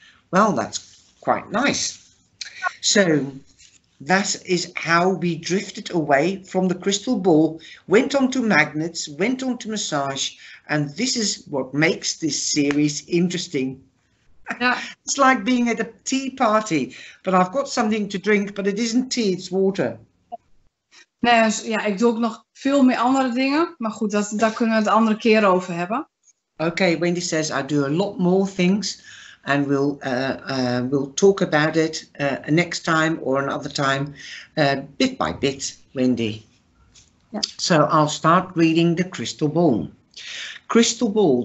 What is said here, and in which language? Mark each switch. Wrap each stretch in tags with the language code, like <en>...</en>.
<en>Well, that's quite nice. So that is how we drifted away from the crystal ball, went on to magnets, went on to massage, and this is what makes this series interesting. Yeah. It's like being at a tea party, but I've got something to drink, but it isn't tea, it's water.</en> <nl>Nee, ja, ik doe ook nog veel meer andere dingen, maar goed, daar kunnen we het andere keer over hebben.</nl> <en>Okay, Wendy says I do a lot more things. And we'll talk about it next time or another time, bit by bit, Wendy. Yeah. So I'll start reading the crystal ball. Crystal ball.</en>